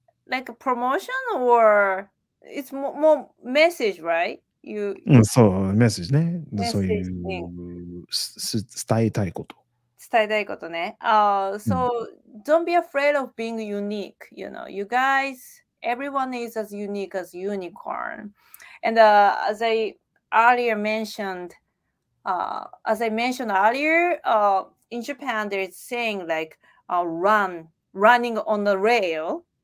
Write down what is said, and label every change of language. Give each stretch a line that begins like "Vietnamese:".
English: Like a promotion or it's more message, right?
Japanese: そう、メッセージね。そういう、伝えたいこと。伝えたいことね。
English: So, don't be afraid of being unique. You know, you guys, everyone is as unique as unicorn. And as I earlier mentioned, in Japan, there is saying like, running on the rail.